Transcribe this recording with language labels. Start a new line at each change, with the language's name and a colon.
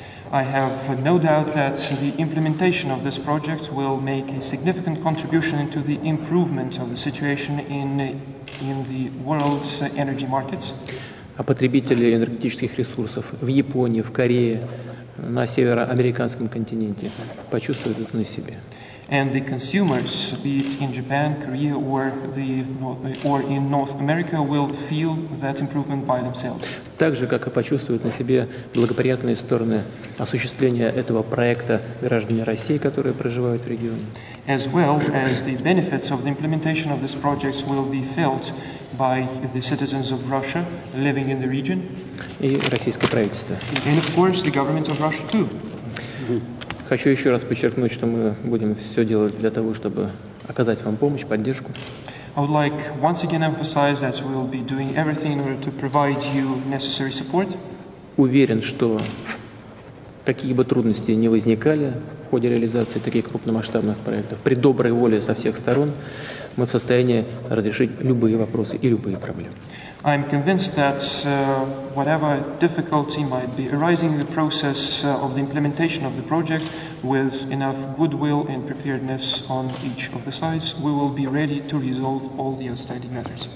English: I have no doubt that the implementation of this project will make a significant contribution into the improvement of the situation in the world's energy markets.
Russian: А потребители энергетических ресурсов в Японии, в Корее, на североамериканском континенте почувствуют это на себе.
English: And the consumers, be it in Japan, Korea, or in North America, will feel that improvement by themselves.
Russian: Также, как и почувствуют на себе благоприятные стороны осуществления этого проекта граждане России, которые проживают в регионе.
English: As well as the benefits of the implementation of this project will be felt by the citizens of Russia living in the region.
Russian: И российское правительство.
English: And of course, the government of Russia too.
Russian: Хочу еще раз подчеркнуть, что мы будем все делать для того, чтобы оказать вам помощь, поддержку.
English: I would like once again emphasize that we will be doing everything in order to provide you necessary support.
Russian: Уверен, что какие бы трудности ни возникали в ходе реализации таких крупномасштабных проектов, при доброй воле со всех сторон, мы в состоянии разрешить любые вопросы и любые проблемы.
English: I'm convinced that whatever difficulty might be arising in the process of the implementation of the project, with enough goodwill and preparedness on each of the sides, we will be ready to resolve all the outstanding matters.